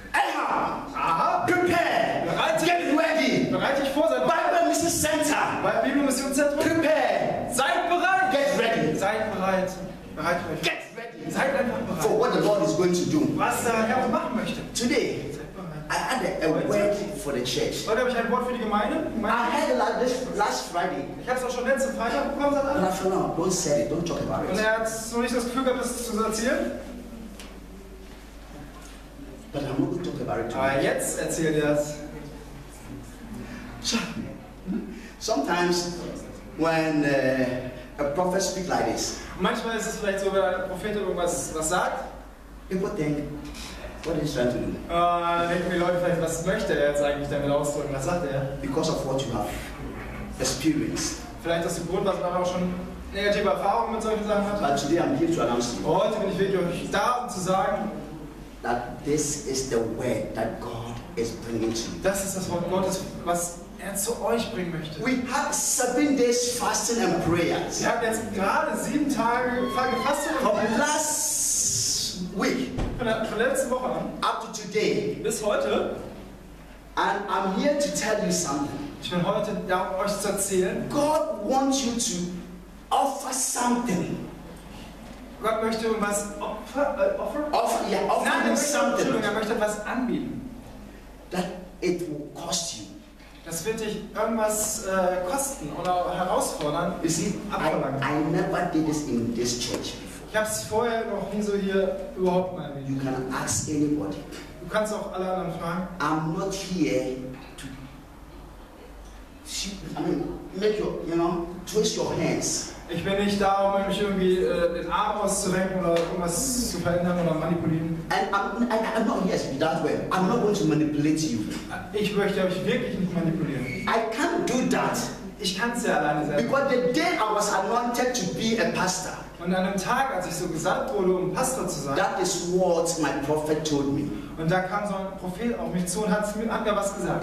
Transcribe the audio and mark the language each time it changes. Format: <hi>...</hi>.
<en>Aha. Prepare. Get ready.</en> <de>Bereite dich vor.</de> <en>Bible Mission Center. Bible Mission Center. Prepare.</en> <de>Seid bereit.</de> <en>Get ready.</en> <de>Seid bereit. Bereite euch.</de> <en>Get ready.</en> <de>Seid einfach bereit.</de> <en>For what the Lord is going to do.</en> <de>Was der Herr machen möchte.</de> <en>Today. I had a word for the church.</en> <de>Heute habe ich ein Wort für die Gemeinde.</de> <en>I had it like this last Friday.</en> <de>Ich habe es auch schon letzten Freitag bekommen.</de> <en>Not for now. Don't say it. Don't talk about it.</en> <de>Und er hat so nicht das Gefühl gehabt, das zu erzählen.</de> <en>But I'm not going to talk about it too much.</en> <de>Jetzt erzähl dir's.</de> <en>So, sometimes when a prophet speaks like this,</en> <de>manchmal ist es vielleicht so, wenn ein Prophet irgendwas was sagt,</de> <en>people think, what is he trying to do?</en> <de>Denken die Leute vielleicht, was möchte er jetzt eigentlich damit ausdrücken? Was sagt er?</de> <en>Because of what you have experienced.</en> <de>Vielleicht aus dem Grund, was man auch schon negative Erfahrungen mit solchen Sachen hat.</de> <en>But today I'm here to announce you.</en> <de>Heute bin ich wirklich da, um zu sagen,</de> <en>that this is the way that God is bringing to you.</en> <de>Das ist das Wort Gottes, was er zu euch bringen möchte.</de> <en>We have 7 days fasting and prayer.</en> <de>Wir haben jetzt gerade 7 Tage gefastet.</de> <en>From last week.</en> <de>Von letzter Woche an.</de> <en>Up to today.</en> <de>Bis heute.</de> <en>And I'm here to tell you something.</en> <de>Ich bin heute da, um euch zu erzählen.</de> <en>God wants you to offer something.</en> <de>Gott möchte was</de> <en>offer</en> <de>nein, er möchte etwas anbieten.</de> <en>That it will cost you.</en> <de>Das wird dich irgendwas kosten oder herausfordern.</de> <en>I never did this in this church before.</en> <de>Ich habe es vorher noch nie so hier überhaupt mal erlebt.</de> <en>You can ask anybody.</en> <de>Du kannst auch alle anderen fragen.</de> <en>I'm not here to make your, twist your hands.</en> <de>Ich bin nicht da, um mich irgendwie den Arm auszurenken oder irgendwas zu verändern oder manipulieren.</de> <en>I'm not here to be that way. I'm not going to manipulate you.</en> <de>Ich möchte euch wirklich nicht manipulieren.</de> <en>I can't do that.</en> <de>Ich kann es ja alleine selber.</de> <en>Because the day I was anointed to be a pastor.</en> <de>Und an einem Tag, als ich so gesandt wurde, um Pastor zu sein.</de> <en>That is what my prophet told me.</en> <de>Und da kam so ein Prophet auf mich zu und hat mir an was gesagt.</de>